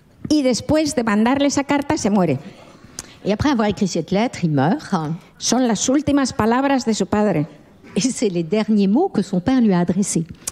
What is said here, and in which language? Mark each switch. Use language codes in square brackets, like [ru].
[es] Y después de mandarle esa carta, se muere. [fr] Et après avoir écrit cette lettre, il meurt. [es] Son las últimas palabras de su padre. [fr] Et c'est les derniers mots que son père lui a adressés.